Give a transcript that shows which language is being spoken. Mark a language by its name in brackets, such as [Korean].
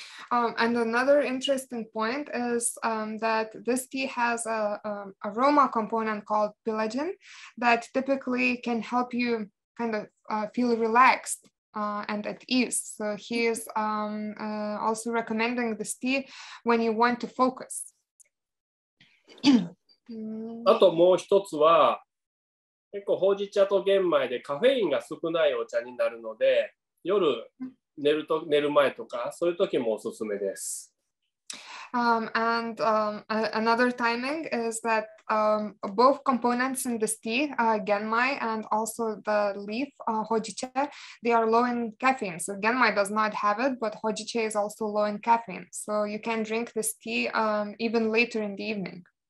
[English] And another interesting point is that this tea has an aroma component called pilagin that typically can help you kind of feel relaxed and at ease. So he is also recommending this tea when you want to focus. [Japanese] あともう一つは、 結構ほうじ茶とゲンマイでカフェインが少ないお茶になるので、夜寝ると寝る前とかそういう時もおすすめです。 [English] Another timing is that both components in this tea, genmai and also the leaf hojicha, they are low in caffeine. So genmai does not have it, but hojicha is also low in caffeine. So you can drink this tea even later in the evening.